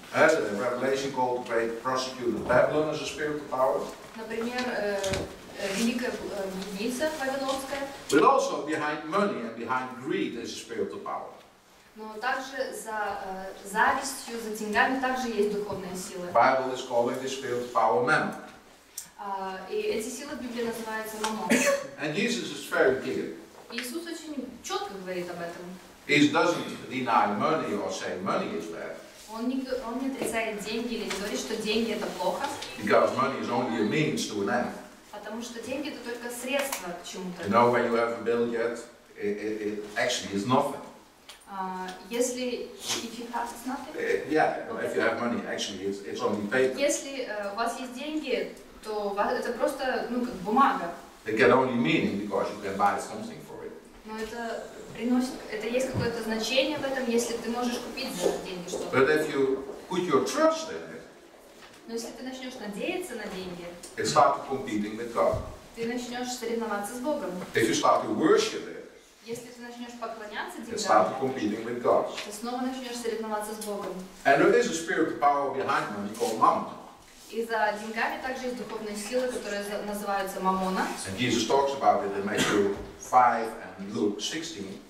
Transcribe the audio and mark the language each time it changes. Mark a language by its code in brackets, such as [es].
[en] The revelation called the great prosecutor Babylon as a spiritual power. [ru] Например, великая блудница вавилонская. [en] But also behind money and behind greed is a spiritual power. [ru] Но также за завистью, за деньгами также есть духовная сила. [en] Bible is calling this spiritual power mammon. [ru] И эти силы в Библии называются мамон. [en] And Jesus is very clear. [ru] Иисус очень четко говорит об этом. [en] He doesn't deny money or say money is bad. [ru] Он не отрицает деньги или не говорит, что деньги это плохо. [en] Because money is only a means to an end. [ru] Потому что деньги это только средство к чему-то. [en] You know, when you have a bill yet, it actually is nothing. [ru] Если [en] if you have it's nothing. Yeah, if you have money, actually it's only paper. [ru] Если у вас есть деньги, то это просто как бумага. [en] It can only mean because you can buy something for it. [ru] Но это это есть какое-то значение в этом, если ты можешь купить за деньги что-то. [en] But if you put your trust in it, [ru] но если ты начнешь надеяться на деньги, [en] it start competing with God. [ru] Ты начнешь соревноваться с Богом. [en] If you start to worship it, [ru] если ты начнешь поклоняться деньгам, [en] it start competing with God. [ru] Ты снова начнешь соревноваться с Богом. [en] And there is a spiritual power behind money called mammon. [ru] И за деньгами также есть духовная сила, которая называется мамона. [en] And Jesus talks about it in Matthew 5 and Luke 16.